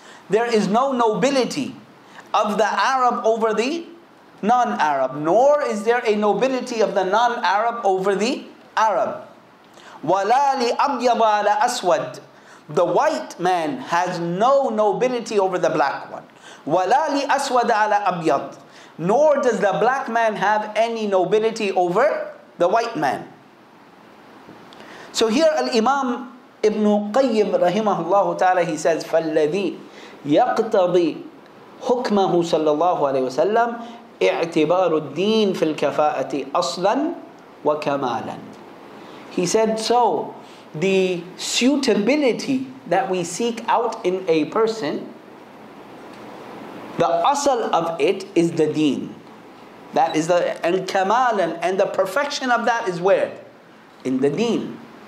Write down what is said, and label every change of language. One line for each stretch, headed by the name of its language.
English: There is no nobility of the Arab over the non-Arab, nor is there a nobility of the non-Arab over the Arab.
Arabic: وَلَا لِأَبْيَضَ عَلَى أَسْوَدٍ.
English: The white man has no nobility over the black one.
Arabic: وَلَا لِأَسْوَدَ عَلَى أَبْيَضٍ.
English: Nor does the black man have any nobility over the white man. So here Al-Imam Ibn Qayyim rahimahullah ta'ala, he says,
Arabic: فَالَّذِي يَقْتَضِي حُكْمَهُ صَلَّى اللَّهُ عَلَيْهِ وَسَلَّمُ اِعْتِبَارُ الدِّينِ فِي الْكَفَاءَةِ أَصْلًا وَكَمَالًا.
English: He said, so the suitability that we seek out in a person, the asal of it is the deen. That is the, and kamal, and the perfection of that is where? In the deen.